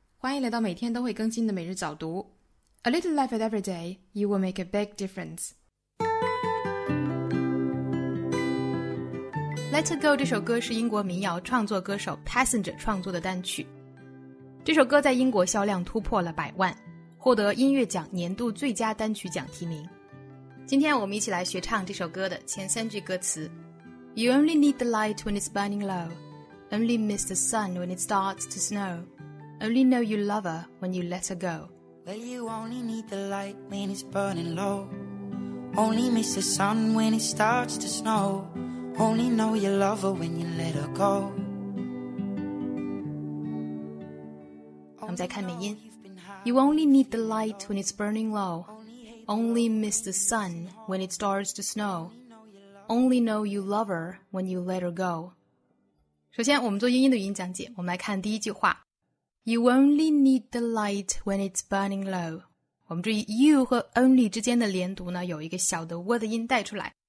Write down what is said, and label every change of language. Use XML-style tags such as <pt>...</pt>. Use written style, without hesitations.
<zh>欢迎来到每天都会更新的每日早读。</zh> <en>A little effort every day, you will make a big difference.</en> <zh>Let It Go 这首歌是英国民谣创作歌手 Passenger 创作的单曲。这首歌在英国销量突破了百万，获得音乐奖年度最佳单曲奖提名。今天我们一起来学唱这首歌的前三句歌词。</zh> <en>You only need the light when it's burning low. Only miss the sun when it starts to snow. Only know you love her when you let her go. Well, you only need the light when it's burning low. Only miss the sun when it starts to snow. Only know you love her when you let her go.</en> <zh>我们再看美音。</zh> <en>You only need the light when it's burning low. Only miss the sun when it starts to snow. Only know you love her when you let her go.</en> <zh>首先我们做英音的语音讲解，我们来看第一句话。</zh> <en>You only need the light when it's burning low.</en> <zh>我们注意 you 和 only 之间的连读呢，有一个小的 w 的音带出来。</zh>